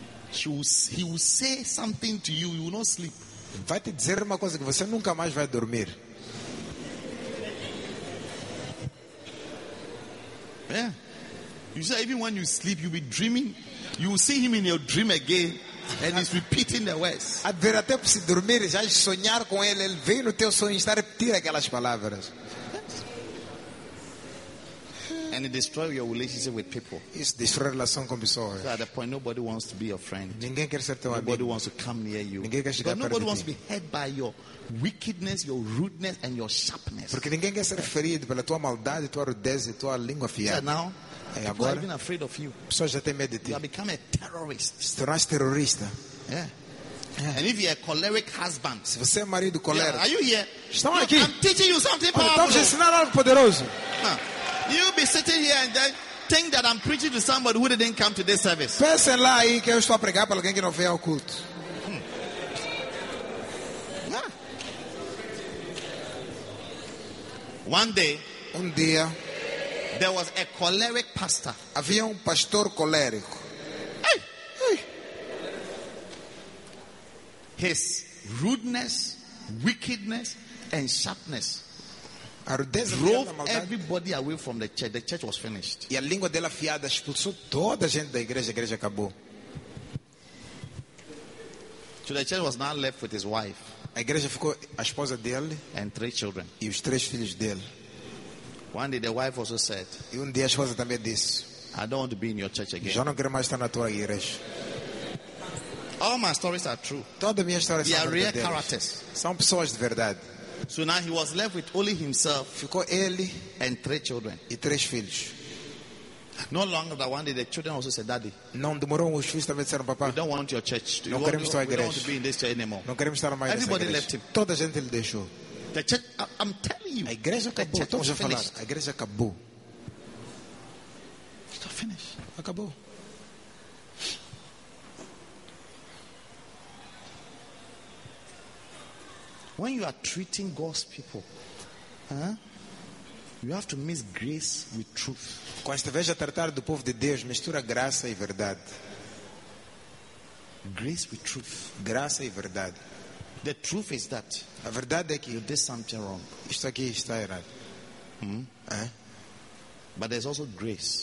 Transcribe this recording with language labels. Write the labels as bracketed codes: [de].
[en] He will say something to you. You will not sleep. [pt] Vai te dizer uma coisa que você nunca mais vai dormir. [en] Yeah. You say even when you sleep, you'll be dreaming. You will see him in your dream again, and he's repeating the words. [pt] A ver até para se dormir, já sonhar com ele, ele vem no teu sonho e está a repetir aquelas palavras. [en] And it destroys your relationship with people. [pt] Isso destrói a relação com pessoas. [en] So at that point, nobody wants to be your friend. [pt] Ninguém quer ser teu amigo. [en] Nobody wants to come near you. [pt] Ninguém quer chegar perto de ti. [en] Nobody wants to be hurt by your wickedness, your rudeness, and your sharpness. [pt] Porque ninguém quer ser ferido pela tua maldade, tua rudeza, tua língua afiada. [en] So now, [pt] é agora, [en] are even afraid of you. [pt] Pessoas já têm medo de ti. [en] You have become a terrorist. [pt] Se tornaste terrorista. [en] Yeah. Yeah. And if you're a choleric husband, [pt] se você é marido colérico, [en] yeah, are you here? [pt] Estão [en] you [pt] aqui. [en] I'm teaching you something powerful. [pt] Estou te ensinando algo poderoso. [en] You be sitting here and then think that I'm preaching to somebody who didn't come to this service. [pt] Pensem lá aí que eu estou a pregar para alguém que não veio ao culto. [en] One day, [pt] dia, [en] there was a choleric pastor. [pt] Havia pastor colérico. [en] Hey. His rudeness, wickedness, and sharpness. Drove everybody away from the church. The church was finished. [pt] E a língua dela afiada expulsou toda a gente da igreja. A igreja acabou. [en] So the church was now left with his wife. [pt] A igreja ficou a esposa dele. [en] And three children. [pt] E os três filhos dele. [en] One day the wife also said. [pt] E dia a esposa também disse. [en] I don't want to be in your church again. [pt] Eu não quero mais estar na tua igreja. [en] All my stories are true. [pt] Todas as minhas histórias são verdadeiras. [en] They are real characters. [pt] São pessoas de verdade. [en] So now he was left with only himself. [pt] Ficou ele [en] and three children. [pt] E três filhos. [en] No longer than one day, the children also said, "Daddy." [pt] Não demorou, os filhos também disseram, papá. [en] We don't want your church. [pt] Não queremos tua igreja. [en] We don't want to be in this church anymore. [pt] Não queremos estar mais nessa [en] igreja. Everybody left him. [pt] Toda a gente ele deixou. [en] The church, I'm telling you. [pt] A igreja acabou. Estou a falar. A igreja acabou. [en] It's finished. [pt] Acabou. [en] When you are treating God's people, you have to mix grace with truth. [pt] Quando estiveres a tratar do povo de Deus, mistura graça e verdade. [en] Grace with truth. [pt] Graça e verdade. [en] The truth is that. [pt] A verdade é que [en] you did something wrong. [pt] Isto aqui está errado. [en] But there's also grace.